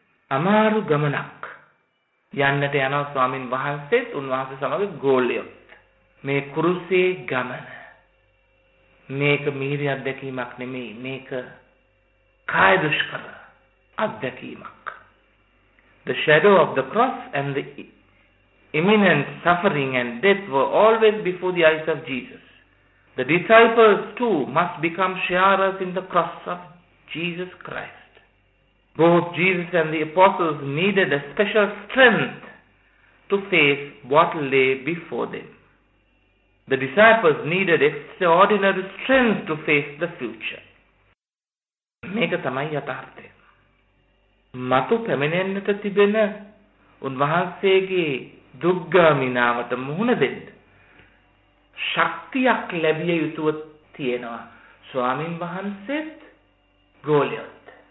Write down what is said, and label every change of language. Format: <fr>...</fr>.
<si>අමාරු ගමනක් යන්නට යන ස්වාමීන් වහන්සේත් උන්වහන්සේ සමග ගෝලියොත් මේ කුරුසේ ගමන, මේක මිහිරි අත්දැකීමක් නෙමෙයි, මේක කාය දුෂ්කර අත්දැකීමක්.</si> <en>The shadow of the cross and the imminent suffering and death were always before the eyes of Jesus. The disciples too must become sharers in the cross of Jesus Christ. Both Jesus and the apostles needed a special strength to face what lay before them. The disciples needed extraordinary strength to face the future.</en> <si>Meka tamai yatharthaya. මතු පැමිණෙන්නට තිබෙන උන්වහන්සේගේ දුක්ගාමිනාවට මුහුණ දෙන්න ශක්තියක් ලැබිය යුතුව තියෙනවා ස්වාමින් වහන්සේත් ගෝලියොත්.</si>